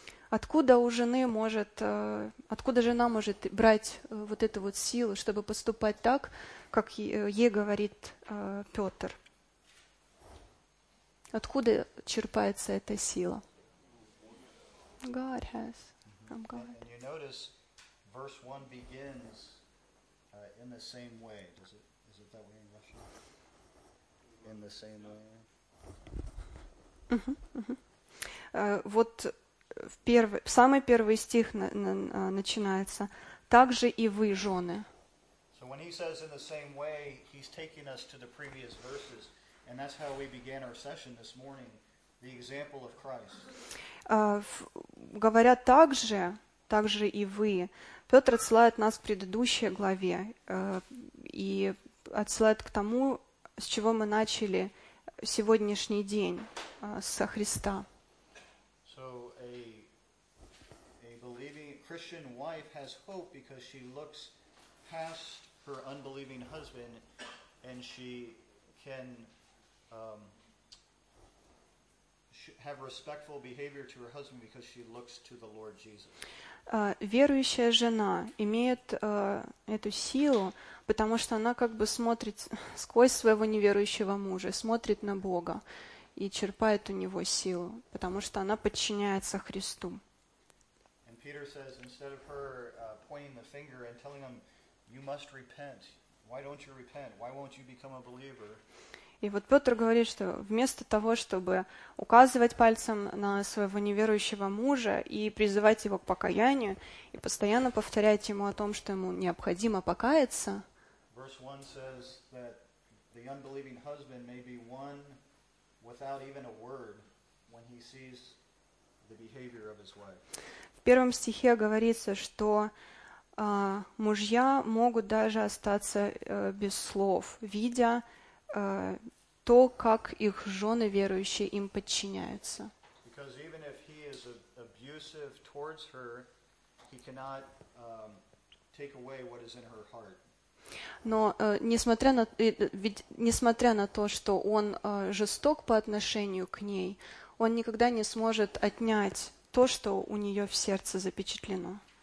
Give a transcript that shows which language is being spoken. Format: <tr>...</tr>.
<ru>Откуда жена может брать вот эту вот силу, чтобы поступать так, как ей говорит Петр? Откуда черпается эта сила?</ru> <en>God has. From God. And you notice verse 1 begins in the same way. Is it that way in Russian? In the same way.</en> <ru>Вот самый первый стих начинается. Так же и вы, жены.</ru> <en>So when he says in the same way, he's taking us to the previous verses, and that's how we began our session this morning, the example of Christ.</en> <ru>Говоря также, также и вы, Петр отсылает нас к предыдущей главе и отсылает к тому, с чего мы начали сегодняшний день, со Христа.</ru> <en>So a believing Christian wife has hope because she looks past her unbelieving husband and she can have respectful behavior to her husband because she looks to the Lord Jesus.</en> <ru>Верующая жена имеет эту силу, потому что она как бы смотрит сквозь своего неверующего мужа, смотрит на Бога и черпает у него силу, потому что она подчиняется Христу.</ru> <en>And Peter says, instead of her pointing the finger and telling them, you must repent. Why don't you repent? Why won't you become a believer?</en> <ru>И вот Петр говорит, что вместо того, чтобы указывать пальцем на своего неверующего мужа и призывать его к покаянию, и постоянно повторять ему о том, что ему необходимо покаяться,</ru> <en>verse 1 says that the unbelieving husband may be won without even a word when he sees the behavior of his wife.</en> <ru>В первом стихе говорится, что мужья могут даже остаться без слов, видя то, как их жены верующие им подчиняются.</ru> <en>Because even if he is abusive towards her, he cannot take away what is in her heart.</en> <ru>Но несмотря на то, что он жесток по отношению к ней, он никогда не сможет отнять то, что у нее в сердце запечатлено.</ru>